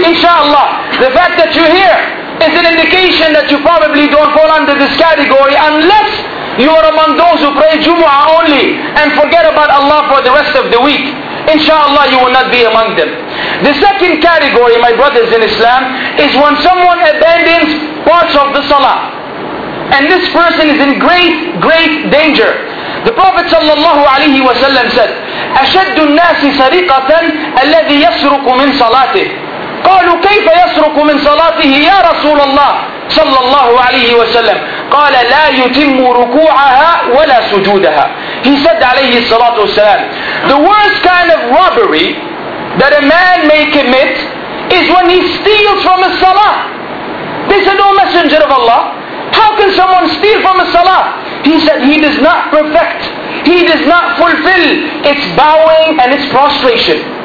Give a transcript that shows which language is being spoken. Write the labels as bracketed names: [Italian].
[English] Insha'Allah, the fact that you're here is an indication that you probably don't fall under this category, unless you are among those who pray Jumu'ah only and forget about Allah for the rest of the week. Insha'Allah, you will not be among them. The second category, my brothers in Islam, is when someone abandons parts of the salah. And this person is in great, great danger. The Prophet sallallahu alaihi wasallam said, [Arabic] أَشَدُّ النَّاسِ سَرِقَةً الَّذِي يَسْرُقُ مِنْ صَلَاتِهِ. قالوا كيف يسرق من صلاته يا رسول الله صلى الله عليه وسلم قال لا يتم ركوعها ولا سجودها. [English] He said [Arabic] عليه الصلاة والسلام, [English] the worst kind of robbery that a man may commit is when he steals from a salah. They said, O Messenger of Allah, how can someone steal from a salah? He said, he does not perfect, he does not fulfill its bowing and its prostration.